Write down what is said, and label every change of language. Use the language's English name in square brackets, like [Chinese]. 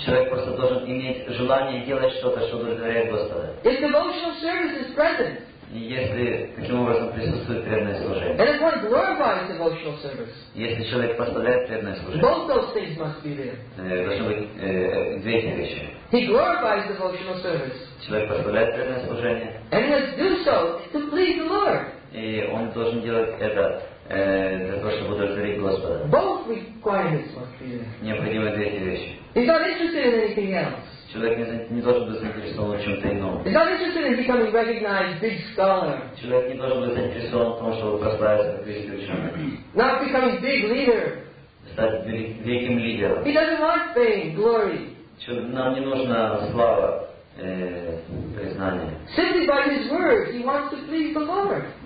[Russian] Человек просто должен иметь желание делать что-то, что удовлетворяет Господа. [English] If devotional service is present. [Russian] И если таким образом присутствует преданное служение. [English] And if one glorifies devotional service. [Russian] Если человек поставляет преданное служение. [English] Both those things must be there. [Russian] Должны быть две эти вещи. [English] He glorifies devotional service. [Russian] Человек поставляет преданное служение. [English] And he must do so to please the Lord. [Russian] И он должен делать это для того, чтобы удовлетворить Господа. [English] Both requirements must be there. [Russian] Необходимы две эти вещи. [English] He's not interested in anything else. [Russian] Человек не должен быть заинтересован в чем-то ином. [English] He's not interested in becoming recognized big scholar. [Russian] Человек не должен быть заинтересован в том, чтобы прославиться как великий ученый. [English] Not becoming big leader. [Russian] Стать великим лидером. [English] He doesn't want fame, glory. [Russian] Нам не нужна слава, признание. [English] Simply by his words, he wants to please the Lord.